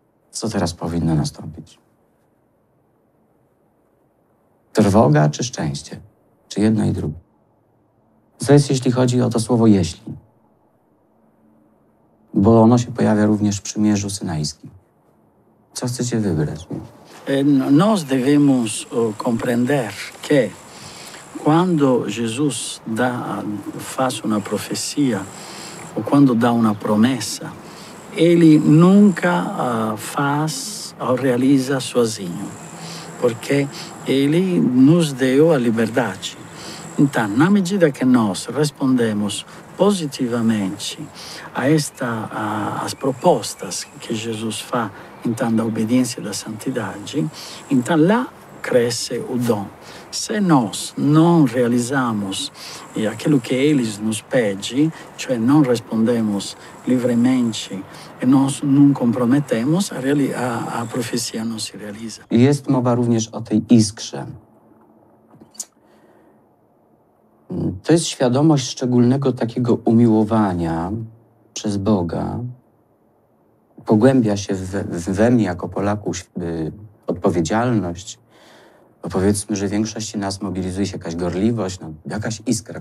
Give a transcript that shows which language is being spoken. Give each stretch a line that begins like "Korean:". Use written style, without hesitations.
Polish: Co teraz powinno nastąpić? Trwoga czy szczęście? Czy jedno i drugie? Co jest, jeśli chodzi o to słowo jeśli? bo ono się pojawia również w przymierzu synajskim. Co chcecie wybrać?
Portuguese: Nós devemos compreender que quando Jesus faz uma profecia ou quando dá uma promessa, ele nunca faz ou realiza sozinho, porque ele nos deu a liberdade. Então, na medida que nós respondemos positivamente a as propostas que Jesus faz, então da obediência e da santidade, então lá cresce o dom. Se nós não realizamos aquilo que eles nos pedem, cioè não respondemos livremente e nós não comprometemos, a profecia não se realiza.
Polish: E jest mowa również o tej iskrze. To jest świadomość szczególnego takiego umiłowania przez Boga. Pogłębia się we mnie jako Polaku odpowiedzialność, bo powiedzmy, że w większości nas mobilizuje się jakaś gorliwość, no, jakaś iskra.